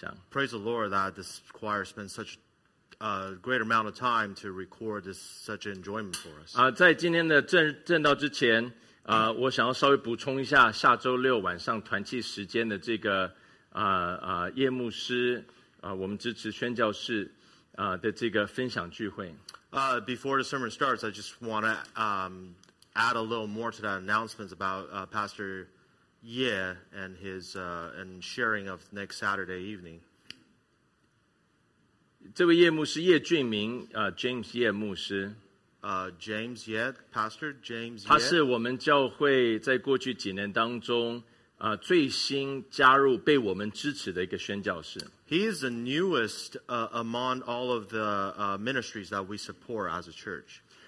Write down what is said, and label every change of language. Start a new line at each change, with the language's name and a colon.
English: Praise the Lord that this choir spent such a great amount of time to record this such enjoyment for us.
Chinese: 在今天的正道之前, 我想要稍微补充一下下周六晚上团契时间的这个, 夜牧师, 我们支持宣教士, 的这个分享聚会。
English: Before the sermon starts, I just want to add a little more to that announcement about Pastor Yeah, and his and sharing of next Saturday evening.
Chinese: 这位叶牧师叶俊明, James Yeah 牧师,
English: James Yeah, Pastor James Yeah.
Chinese: 他是我们教会在过去几年当中, 最新加入被我们支持的一个宣教士。
English: He is the newest among all of the ministries that we support as a church.